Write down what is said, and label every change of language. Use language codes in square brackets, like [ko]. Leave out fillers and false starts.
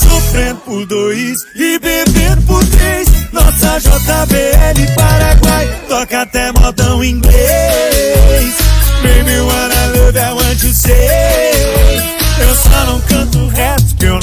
[pt] Sofrendo por dois e bebendo por três. Nossa JBL Paraguai toca até modão inglês. [en] Baby, what I love, I want to say. [pt] Eu só não canto reto que eu não